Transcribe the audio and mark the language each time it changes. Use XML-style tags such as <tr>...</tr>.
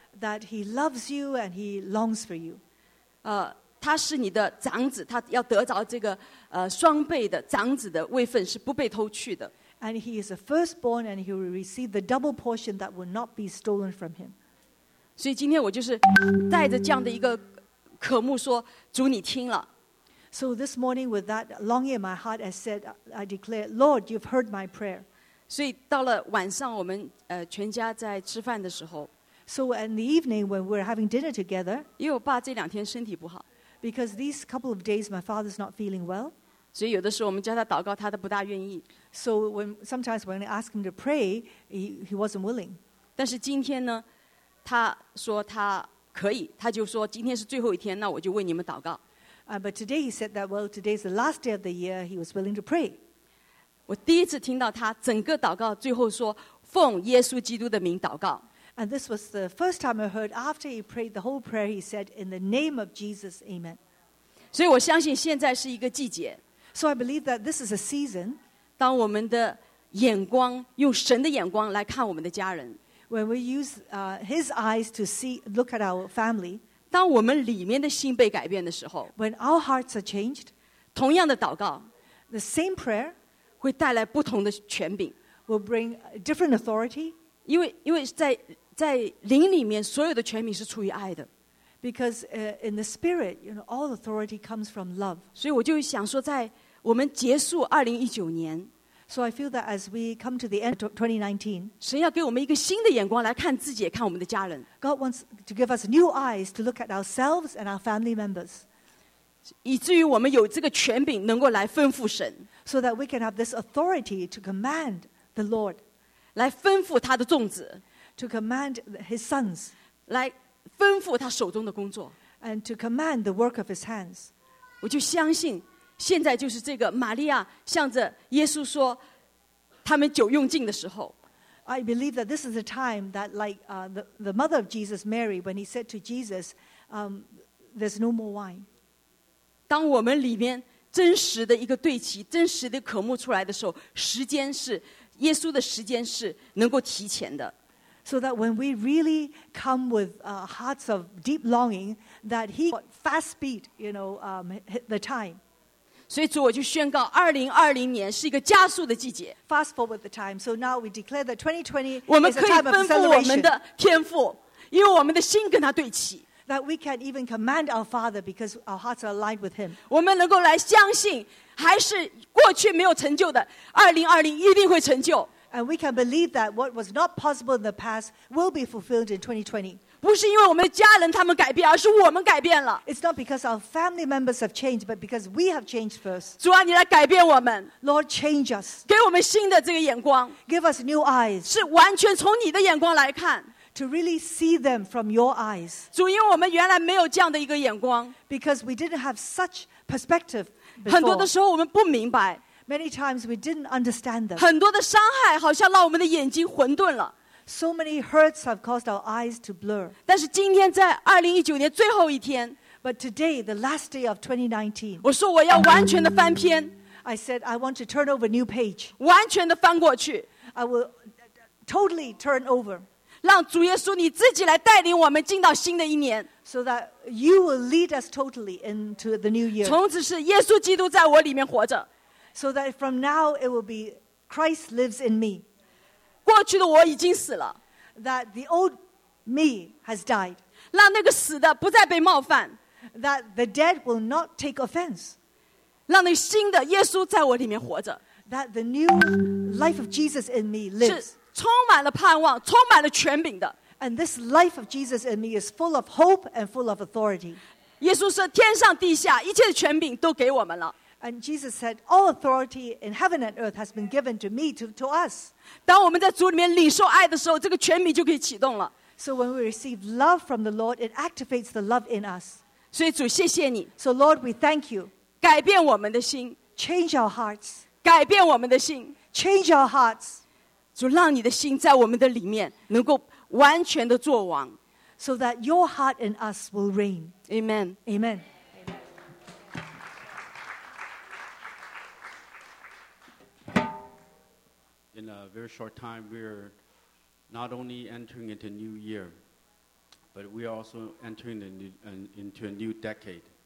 <en>，that he loves you and he longs for you.</en> <zh>他是你的长子，他要得着这个双倍的长子的位分是不被偷去的。</zh> <en>And he is a firstborn and he will receive the double portion that will not be stolen from him.</en> <zh>所以今天我就是带着这样的一个渴慕说，主你听了。</zh> <en>So this morning, with that longing in my heart, I said, I declare, Lord, you've heard my prayer.</en> <zh>所以到了晚上，我们全家在吃饭的时候</zh> <en>，So in the evening when we're having dinner together,</en> <zh>因为我爸这两天身体不好</zh> <en>，because these couple of days my father's not feeling well.</en> <zh>所以有的时候我们叫他祷告，他都不大愿意。</zh> <en>So sometimes when I ask him to pray, he wasn't willing.</en> <zh>但是今天呢，他说他可以，他就说今天是最后一天，那我就为你们祷告。</zh> <en>But today he said that, well, today is the last day of the year. He was willing to pray.</en> <zh>我第一次听到他整个祷告最后说奉耶稣基督的名祷告。</zh> <en>And this was the first time I heard after he prayed the whole prayer. He said, "In the name of Jesus, Amen."</en> <zh>所以我相信现在是一个季节。</zh> <en>So I believe that this is a season.</en> <zh>当我们的眼光用神的眼光来看我们的家人。</zh> <en>When we use His eyes to see, look at our family.</en> <zh>当我们里面的心被改变的时候</zh> <en>When our hearts are changed,</en> <zh>同样的祷告</zh> <en>The same prayer</en> <zh>会带来不同的权柄</zh> <en>Will bring different authority</en> <zh>因为在灵里面所有的权柄是出于爱的</zh> <en>Because in the spirit, you know, all authority comes from love</en> <zh>所以我就想说在我们结束2019年</zh> <en>So I feel that as we come to the end of 2019</en> <zh>神要给我们一个新的眼光来看自己也看我们的家人</zh> <en>God wants to give us new eyes to look at ourselves and our family members.</en> <zh>以至于我们有这个权柄能够来吩咐神</zh> <en>So that we can have this authority to command the Lord.</en> <zh>来吩咐他的众子</zh> <en>To command his sons.</en> <zh>来吩咐他手中的工作</zh> <en>And to command the work of his hands.</en> <zh>我就相信现在就是这个玛利亚向着耶稣说他们酒用尽的时候</zh> <en>I believe that this is a time that like the mother of Jesus, Mary, when he said to Jesus, there's no more wine.</en> <zh>当我们里面真实的一个对齐，真实的渴慕出来的时候，时间是耶稣的时间是能够提前的。</zh> <en>So that when we really come with hearts of deep longing, that he fast beat, you know, hit the time.</en> <zh>所以主我就宣告2020年是一个加速的季节。</zh> <en>Fast forward the time. So now we declare that 2020 is a time of celebration.</en> <zh>我们可以吩咐我们的天父，因为我们的心跟他对齐。</zh> <en>That we can even command our Father because our hearts are aligned with Him.</en> <zh>我们能够来相信，还是过去没有成就的，2020一定会成就。</zh> <en>And we can believe that what was not possible in the past will be fulfilled in 2020.</en> <zh>不是因为我们家人他们改变，而是我们改变了。</zh> <en>It's not because our family members have changed, but because we have changed first.</en> <zh>主啊，你来改变我们。</zh> <en>Lord, change us.</en> <zh>给我们新的这个眼光。</zh> <en>Give us new eyes.</en> <zh>是完全从你的眼光来看。</zh> <en>To really see them from your eyes.</en> <zh>主，因为我们原来没有这样的一个眼光。</zh> <en>Because we didn't have such perspective before.</en> <zh>很多的时候我们不明白。</zh> <en>Many times we didn't understand them.</en> <zh>很多的伤害好像让我们的眼睛混沌了。</zh> <en>So many hurts have caused our eyes to blur.</en> <zh>但是今天在2019年最后一天。</zh> <en>But today, the last day of 2019.</en> <zh>我说我要完全的翻篇。</zh> <en>I said, I want to turn over a new page.</en> <zh>完全的翻过去。</zh> <en>I will totally turn over.</en> <zh>让主耶稣你自己来带领我们进到新的一年</zh> <en>so that you will lead us totally into the new year.</en> <zh>从此是耶稣基督在我里面活着</zh> <en>so that from now it will be Christ lives in me.</en> <zh>过去的我已经死了</zh> <en>that the old me has died.</en> <zh>让那个死的不再被冒犯</zh> <en>that the dead will not take offense.</en> <zh>让那新的耶稣在我里面活着</zh> <en>that the new life of Jesus in me lives.</en> <zh>充满了盼望，充满了权柄的。</zh> <en>And this life of Jesus in me is full of hope and full of authority.</en> <zh>耶稣说，天上地下一切的权柄都给我们了。</zh> <en>And Jesus said, all authority in heaven and earth has been given to me, to us.</en> <zh>当我们在主里面领受爱的时候，这个权柄就可以启动了。</zh> <en>So when we receive love from the Lord, it activates the love in us.</en> <zh>所以主，谢谢你。</zh> <en>So Lord, we thank you.</en> <zh>改变我们的心。</zh> <en>Change our hearts.</en> <zh>改变我们的心。</zh> <en>Change our hearts.</en> <zh>主让你的心在我们的里面能够完全的作王</zh> <en>so that your heart in us will reign. Amen. Amen. In a very short time, we're not only entering into a new year, but we're also entering into a new decade.</en>